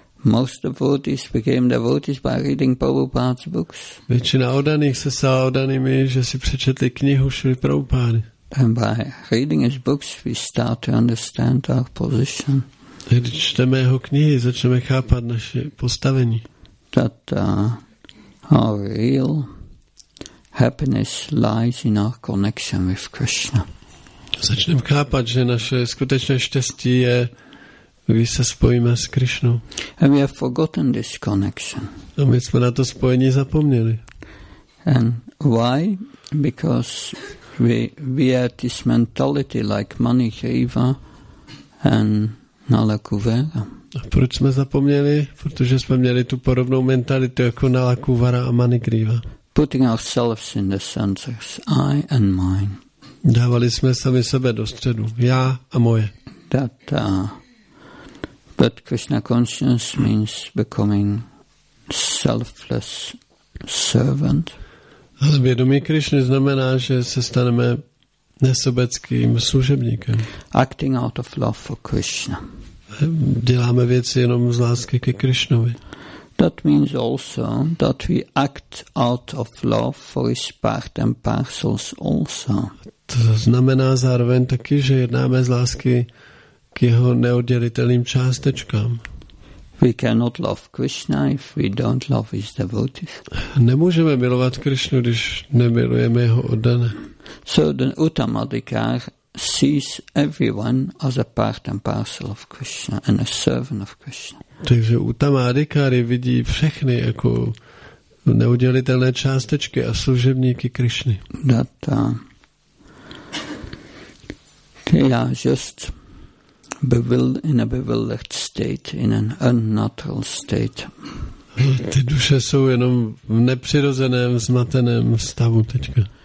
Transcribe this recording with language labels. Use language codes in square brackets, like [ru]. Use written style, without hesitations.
[en] Most devotees became devotees by reading Prabhupada's books. [cs] Většina oddaných se stala oddanými, že si přečetli knihu Šrily Prabhupády. [en] And by reading his books we start to understand our position. [cs] Když čteme jeho knihy, začneme chápat naše postavení. [en] That our real happiness lies in our connection with Krishna. [cs] Začneme chápat, že naše skutečné štěstí je, když se spojíme s Krišnou. [en] And we have forgotten this connection. [cs] A my jsme na to spojení zapomněli. [en] And why? Because we had this mentality like Manishriva and Nalakuvara. [cs] A proč jsme zapomněli? Protože jsme měli tu podobnou mentalitu jako Nalakuvara a Manishriva. [en] Putting ourselves in the center, I and mine. [cs] Dávali jsme sami sebe do středu, já a moje. [en] That, but Krishna consciousness means becoming selfless servant. [cs] Ale vědomí Krishna znamená, že se staneme nesobeckým služebníkem. [en] Acting out of love for Krishna. [cs] Děláme věci jenom z lásky ke Krishnovi. [en] That means also that we act out of love for his part and parcels also. [cs] To znamená zároveň taky, že jednáme z lásky k jeho neoddělitelným částečkám. [en] We cannot love Krishna if we don't love his devotees. [cs] Nemůžeme milovat Krishnu, když nemilujeme jeho oddané. [en] So the Uttama Adhikar sees everyone as a part and parcel of Krishna and a servant of Krishna. [cs] Takže Uttama Adhikari vidí všechny jako neoddělitelné částečky a služebníky Krišny. [en] That, they are just in a bewildered state, in an unnatural state. [cs] Ty duše jsou jenom v nepřirozeném, zmateném stavu teďka.